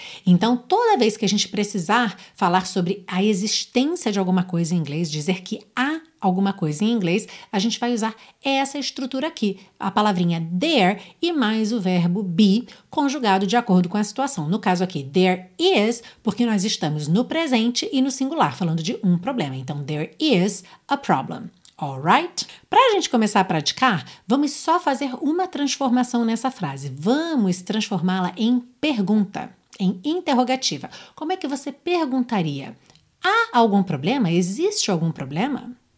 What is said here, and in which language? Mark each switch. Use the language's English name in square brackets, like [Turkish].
[Portuguese] Então, toda vez que a gente precisar falar sobre a existência de alguma coisa em inglês, dizer que há alguma coisa em inglês, a gente vai usar essa estrutura aqui, a palavrinha there e mais o verbo be, conjugado de acordo com a situação. No caso aqui, there is, porque nós estamos no presente e no singular, falando de um problema. Então, [English] there is a problem. Alright? [Portuguese] Para a gente começar a praticar, vamos só fazer uma transformação nessa frase. Vamos transformá-la em pergunta, em interrogativa. Como é que você perguntaria? Há algum problema? Existe algum problema?